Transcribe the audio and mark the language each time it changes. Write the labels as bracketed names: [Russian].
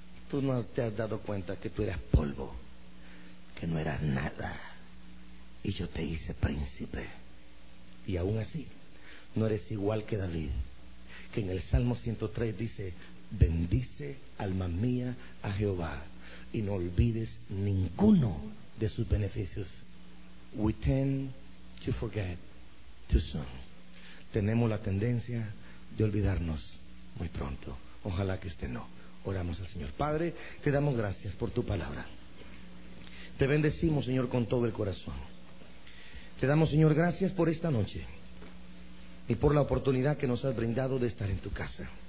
[Spanish] Tú no te has dado cuenta que tú eras polvo, que no eras nada, y yo te hice príncipe. Y aún así, no eres igual que David, que en el Salmo 103 dice, bendice alma mía a Jehová, y no olvides ninguno de sus beneficios. [English] We tend to forget too soon. [Spanish] Tenemos la tendencia de olvidarnos muy pronto. Ojalá que usted no. Oramos al Señor. Padre, te damos gracias por tu palabra. Te bendecimos, Señor, con todo el corazón. Te damos, Señor, gracias por esta noche y por la oportunidad que nos has brindado de estar en tu casa.